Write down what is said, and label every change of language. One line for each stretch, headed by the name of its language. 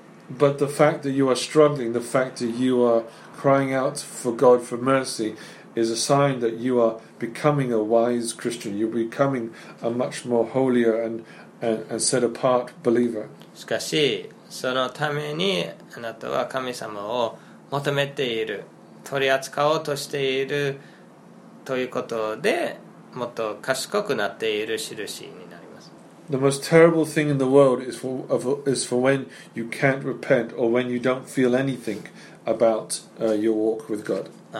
English: But the fact that you are struggling, the fact that you are crying out for God for mercy, is a sign that you are becoming a wise Christian. You're becoming a much more holier and set apart believer.
Japanese: しかしそのためにあなたは神様を求めている、取り扱おうとしているということで、もっと賢くなっている印になります。
English: The most terrible thing in the world is for when you can't repent or when you don't feel anything about your walk with God.